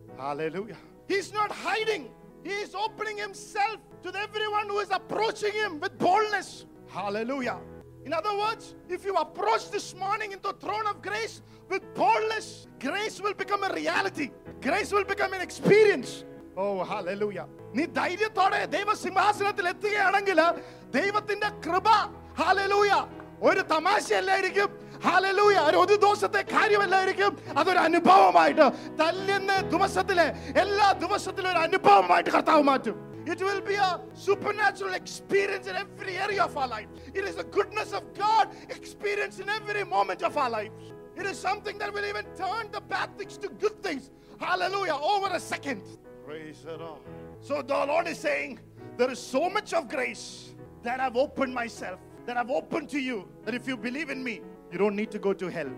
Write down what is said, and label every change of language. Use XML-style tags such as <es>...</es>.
<en>Hallelujah. He is not hiding. He is opening himself to everyone who is approaching him with boldness. Hallelujah. In other words, if you approach this morning into the throne of grace with boldness, will become a reality. Grace will become an experience. Oh, hallelujah.</en> <ml>നീ ധൈര്യത്തോടെ ദൈവ സിംഹാസനത്തിൽ എത്തുകയാണെങ്കിൽ ദൈവത്തിന്റെ കൃപ, ഹല്ലേലൂയാ, ഒരു തമാശയല്ലായിരിക്കും, ഹല്ലേലൂയാ, ഒരു ഒരു ദിവസത്തെ കാര്യമല്ലായിരിക്കും, അതൊരു അനുഭവമായിട്ട് തല്ലെന്ന ദിവസത്തിലെ എല്ലാ ദിവസത്തിലും ഒരു അനുഭവമായിട്ട് കർത്താവ് മാറ്റും.</ml> <en>It will be a supernatural experience in every area of our life. It is the goodness of God experienced in every moment of our lives. It is something that will even turn the bad things to good things. Hallelujah. Over a second. Praise the Lord. So the Lord is saying, there is so much of grace that I've opened myself, that I've opened to you, that if you believe in me, you don't need to go to hell.</en>